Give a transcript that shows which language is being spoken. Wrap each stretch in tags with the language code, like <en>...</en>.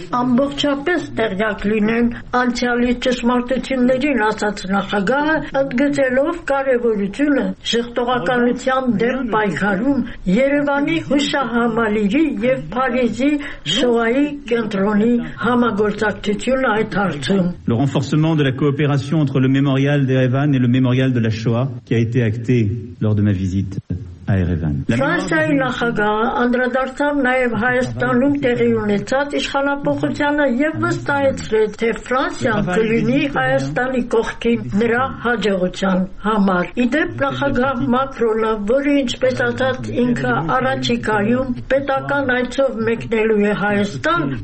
<hy>ամբողջապես տեղյակ լինեն անցյալի ճշմարտություններին, ասաց նախագահը, ընդգծելով կարևորությունը ժխտողականության դեմ պայքարում Երևանի հուշահամալիրի եւ Փարիզի շոայի կենտրոնի համագործակցությունը այդ հարցում։</hy> <fr>Le renforcement de la coopération entre le mémorial d'Erevan et le mémorial de la Shoah qui a été acté lors de ma visite.</fr> <hy>Ֆրանսիայի նախագահը անդրադարձավ նաև Հայաստանում տեղի ունեցած իշխանապողությանը եւ վստահեցրեց, թե Ֆրանսիան կլինի Հայաստանի կողքին նրա հաջողության համար։ Իդեպ նախագահ Մակրոնը, որը ինչպես ասաց ինքը առաջիկայում պետական այցով մեկնելու է Հայաստան,</hy>